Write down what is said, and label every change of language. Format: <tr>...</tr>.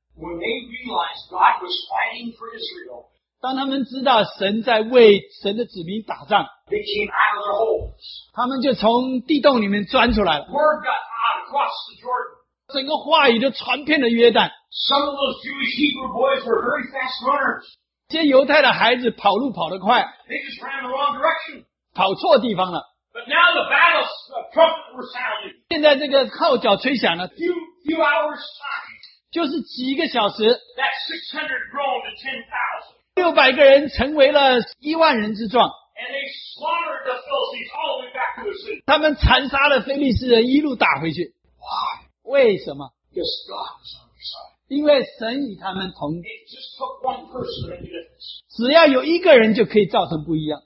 <en>When they realized God was fighting for Israel,</en> <zh>当他们知道神在为神的子民打仗，</zh> <en>they came out of their holes.</en> <zh>他们就从地洞里面钻出来了。</zh> <en>Word got out across the Jordan.</en> <zh>整个话语就传遍了约旦。</zh> <en>Some of those Jewish Hebrew boys were very fast runners.</en> <zh>这犹太的孩子跑路跑得快。</zh> <en>They just ran the wrong direction.</en> <zh>跑错地方了。</zh> <en>But now the battle's trumpet were sounding.</en> <zh>现在这个号角吹响了。</zh> <en>Few hours time.</en> <zh>就是几个小时</zh> <en>That 600 grown to 10,000.</en> <zh>600个人成为了1万人之众</zh> <en>And they slaughtered the Philistines all the way back to the city.</en> <zh>他们残杀了腓力斯人一路打回去</zh> <en>Why?</en> <zh>为什么</zh> <en>Because God was on their side.</en> <zh>因为神与他们同</zh> <en>It just took one person to make a difference.</en> <zh>只要有一个人就可以造成不一样</zh>